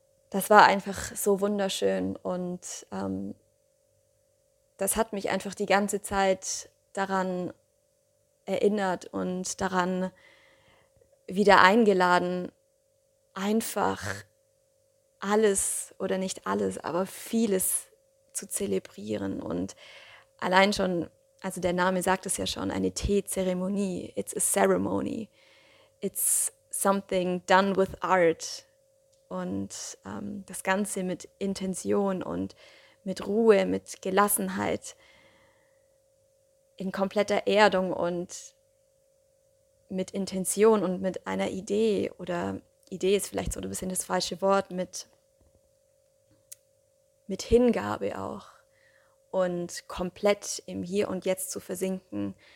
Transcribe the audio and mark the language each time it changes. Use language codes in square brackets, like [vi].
[de] Das war einfach so wunderschön und das hat mich einfach die ganze Zeit daran erinnert und daran wieder eingeladen, einfach alles oder nicht alles, aber vieles zu zelebrieren. Und allein schon, also der Name sagt es ja schon, eine Teezeremonie. [en] It's a ceremony. It's something done with art. [de] Und das Ganze mit Intention und mit Ruhe, mit Gelassenheit, in kompletter Erdung und mit Intention und mit einer Idee oder Idee ist vielleicht so ein bisschen das falsche Wort, mit Hingabe auch und komplett im Hier und Jetzt zu versinken.